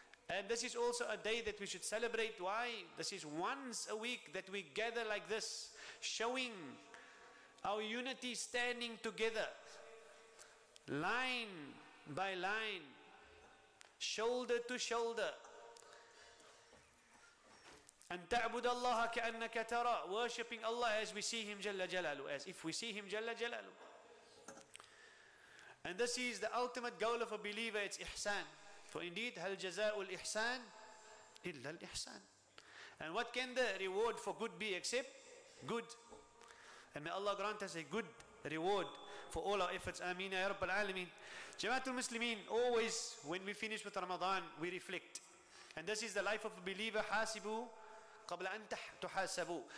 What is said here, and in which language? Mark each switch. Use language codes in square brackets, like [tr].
[en] And this is also a day that we should celebrate. Why? This is once a week that we gather like this, showing our unity, standing together, line by line, shoulder to shoulder. [ar] أن تعبد الله كأنك ترى. [en] Worshipping Allah as we see Him [ar] جل جلاله, [en] as if we see Him جل جلاله. And this is the ultimate goal of a believer. It's إحسان. For indeed, [ar] هل جزاء الإحسان إلا الإحسان. [en] And what can the reward for good be except good? And may Allah grant us a good reward for all our efforts. [ar] آمين يا رب العالمين. جماعة المسلمين, [en] always when we finish with Ramadan, we reflect. And this is the life of a believer. [ar] حاسبوا قبل أن تحاسبوا.